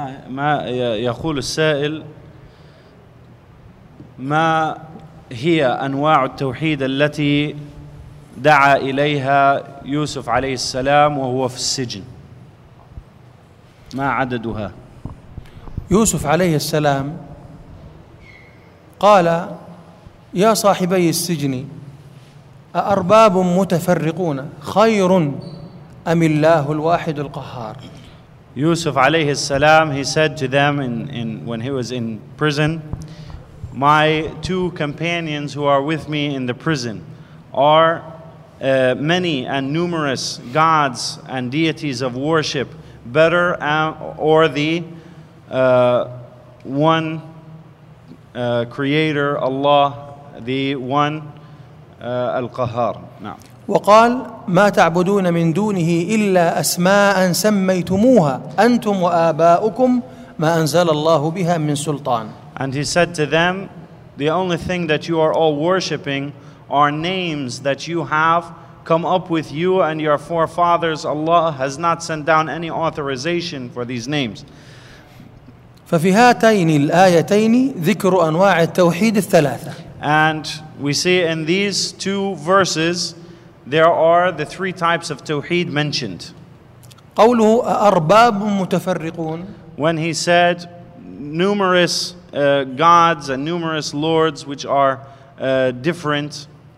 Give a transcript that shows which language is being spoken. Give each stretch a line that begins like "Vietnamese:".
Arabic: ما يقول السائل ما هي أنواع التوحيد التي دعا إليها يوسف عليه السلام وهو في السجن ما عددها يوسف عليه السلام قال يا صاحبي السجن أأرباب متفرقون خير أم الله الواحد القهار
English: Yusuf
Arabic: alayhi salam,
English: he said to them in when he was in prison, my two companions who are with me in the prison are many and numerous gods and deities of worship better or the one creator, Allah, the one Al-Qahhar.
Arabic: وقال ما تعبدون من دونه إلا أسماء سميتموها أنتم وآباؤكم ما أنزل الله بها من سلطان.
English: And he said to them, the only thing that you are all worshiping are names that you have come up with you and your forefathers. Allah has not sent down any authorization for these names.
Arabic: ففي هاتين الآيتين ذكر أنواع التوحيد الثلاثة.
English: And we see in these two verses. There are the three types of tawheed mentioned.
Arabic: قوله أرباب متفرقون.
English: When he said numerous gods and numerous lords which are different